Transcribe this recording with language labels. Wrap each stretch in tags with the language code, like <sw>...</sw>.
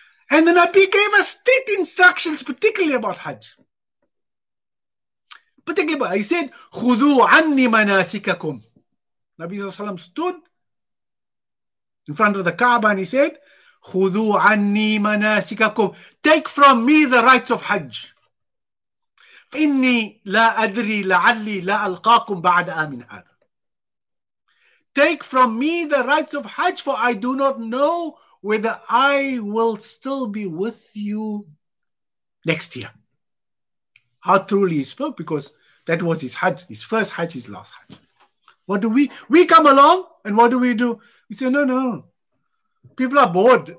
<en>And the Nabi gave us strict instructions, particularly about Hajj. Particularly about, he said,</en> <ar>خُذُوا عَنِّي مَنَاسِكَكُمْ.</ar> <en>Nabi sallallahu alayhi wa sallam stood in front of the Kaaba and he said, خُذُوا عَنِّي مَنَاسِكَكُمْ. Take from me the rites of Hajj.</en> <ar>فإني لا أدري لعلي لا ألقاكم بعد آمن هذا.</ar> <en>Take from me the rites of Hajj, for I do not know whether I will still be with you next year. How truly he spoke, because that was his Hajj, his first Hajj, his last Hajj. What do we come along and what do? We say, no, no. People are bored.</en>